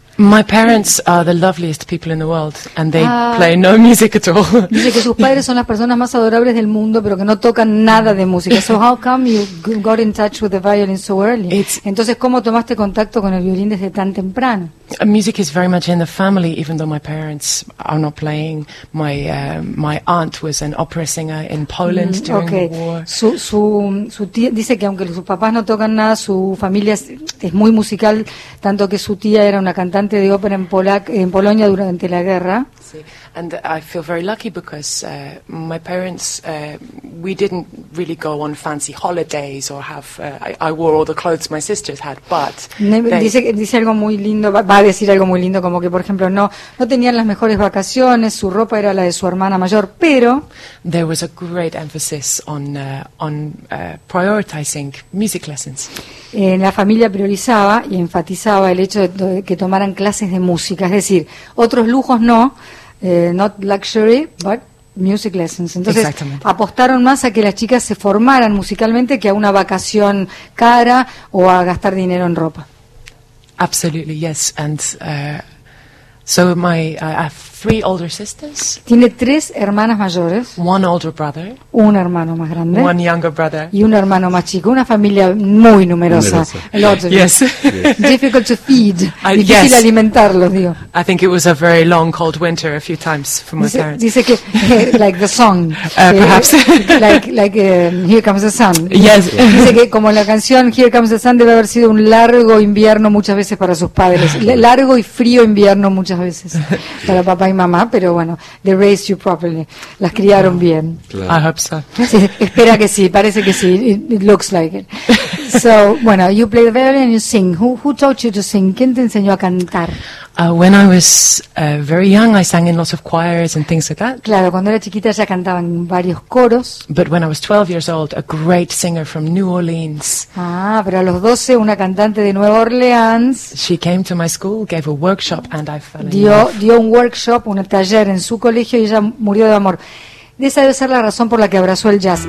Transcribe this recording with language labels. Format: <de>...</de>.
<en>My parents are the loveliest people in the world, and they play no music at all.</en> <es>Dice que sus padres son las personas más adorables del mundo, pero que no tocan nada de música.</es> <en>So how come you got in touch with the violin so early?</en> <es>Entonces, ¿cómo tomaste contacto con el violín desde tan temprano?</es> <en>Music is very much in the family, even though my parents are not playing. My aunt was an opera singer in Poland during the war.</en> <es>Su tía dice que aunque sus papás no tocan nada, su familia es muy musical, tanto que su tía era una cantante cantante de ópera en Polonia durante la guerra. Sí.</es> <en>And I feel very lucky because my parents, we didn't really go on fancy holidays or have. I wore all the clothes my sisters had, but</en> <es>dice algo muy lindo. Va a decir algo muy lindo, como que por ejemplo no tenían las mejores vacaciones. Su ropa era la de su hermana mayor, pero</es> <en>there was a great emphasis on prioritizing music lessons.</en> <es>La familia priorizaba y enfatizaba el hecho de que tomaran clases de música, es decir, otros lujos no.</es> <en>Not luxury, but music lessons. Entonces,</en> <es>exactamente, apostaron más a que las chicas se formaran musicalmente que a una vacación cara o a gastar dinero en ropa.</es> <en>Absolutely, yes. And so my I have three older sisters.</en> <es>Tiene tres hermanas mayores.</es> <en>One older brother.</en> <es>Un hermano más grande.</es> <en>One younger brother.</en> <es>Y un hermano más chico. Una familia muy numerosa.</es> <en>Lots. Yes. Difficult to feed.</en> <es>Difícil alimentarlos, digo.</es> <en>I think it was a very long cold winter a few times for my parents.</en> <es>Dice que</es> <en>like the song. Perhaps. like Here Comes the Sun. Yes.</en> <es>Dice que como la canción Here Comes the Sun debe haber sido un largo invierno muchas veces para sus padres. Largo y frío invierno muchas veces para papá y mamá, pero bueno,</es> <en>they raised you properly.</en> <es>Las criaron bien.</es> <en>Claro. I hope so.</en> <es>Sí, espera que sí, parece que sí.</es> <en>It looks like it. So, bueno, you play the violin and you sing. Who taught you to sing?</en> <es>¿Quién te enseñó a cantar?</es> <en>When I was very young, I sang in lots of choirs and things like that.</en> <es>Claro, cuando era chiquita ya cantaba en varios coros.</es> <en>But when I was 12 years old, a great singer from New Orleans.</en> <es>Ah, pero a los 12 una cantante de Nueva Orleans.</es> <en>She came to my school, gave a workshop, and I fell in love.</en> <es>Dio un workshop, un taller en su colegio y ella murió de amor. Esa debe ser la razón por la que abrazó el jazz.</es>